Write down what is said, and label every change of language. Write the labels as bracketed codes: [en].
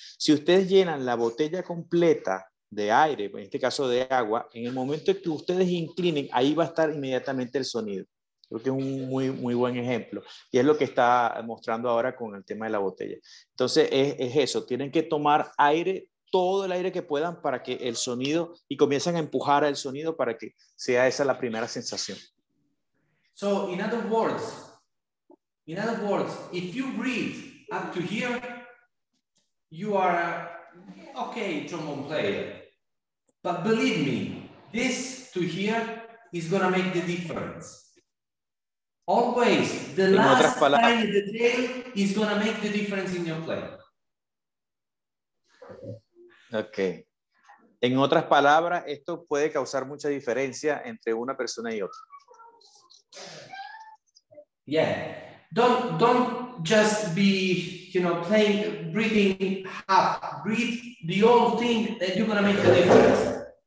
[es] Si ustedes llenan la botella completa de aire, en este caso de agua, en el momento que ustedes inclinen, ahí va a estar inmediatamente el sonido. Creo que es un muy, muy buen ejemplo. Y es lo que está mostrando ahora con el tema de la botella. Entonces, es eso. Tienen que tomar aire, todo el aire que puedan para que el sonido, y comiencen a empujar el sonido para que sea esa la primera sensación. [en] So in other words, if you breathe up to here, you are a okay trombone player. But believe me, this to here is gonna make the difference. Always, the last line of the day is gonna make the difference in your play. Okay. [es] En otras palabras, esto puede causar mucha diferencia entre una persona y otra. [en] Yeah. Don't just be, you know, playing, breathing half. Breathe the whole thing that you're gonna make the difference.